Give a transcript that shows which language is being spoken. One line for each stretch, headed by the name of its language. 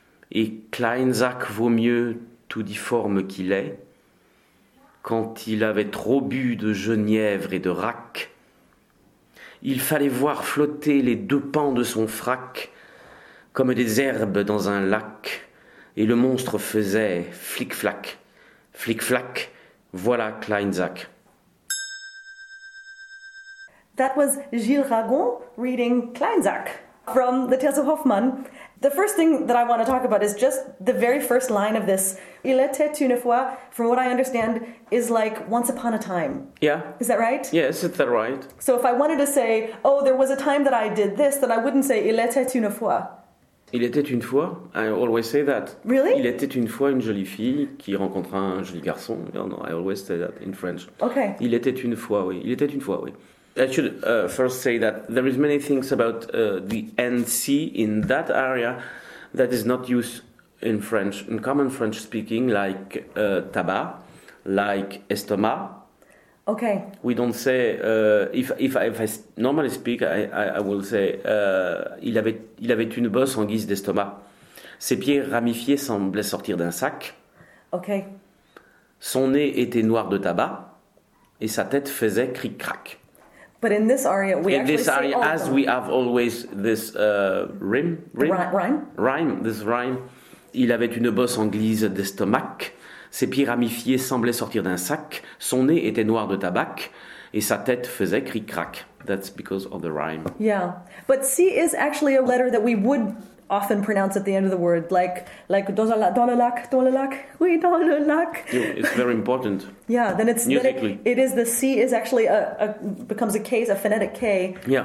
French: Et Kleinsack vaut mieux, tout difforme qu'il est, quand il avait trop bu de genièvre et de rac. Il fallait voir flotter les deux pans de son frac comme des herbes dans un lac, et le monstre faisait flic-flac, flic-flac, voilà Kleinsack.
English: That was Gilles Ragon reading Kleinsack from The Tales of Hoffmann. The first thing that I want to talk about is just the very first line of this.
French: Il était une fois,
English: from what I understand, is like once upon a time. Yeah. Is that right? Yes, is that right? So if I wanted to say, oh, there was a time that I did this, then I wouldn't say
French: il était une fois. Il était une fois?
English: I always say that. Really?
French: Il était une fois une jolie fille qui rencontra un joli garçon.
English: You know, I always say that in French. Okay.
French: Il était une fois, oui. Il était une fois, oui.
English: I should first say that there is many things about the NC in that area that is not used in French, in common French speaking, like tabac, like estomac. Okay. We don't say, if I normally speak, I will say,
French: il avait une bosse en guise d'estomac. Ses pieds ramifiés semblaient sortir d'un sac. Okay. Son nez était noir de tabac et sa tête faisait cric-crac.
English: But in this aria, we have always this rhyme.
French: Il avait une bosse en guise d'estomac. Ses pieds ramifiés semblaient sortir d'un sac. Son nez était noir de tabac, et sa tête faisait cric-crac.
English: That's because of the rhyme. Yeah, but C is actually a letter that we would often pronounce at the end of the word, like
French: dans le lac, oui, dans le lac.
English: Yeah, it's very important. Yeah, then it's musically. The C is actually becomes a K, a phonetic K. Yeah.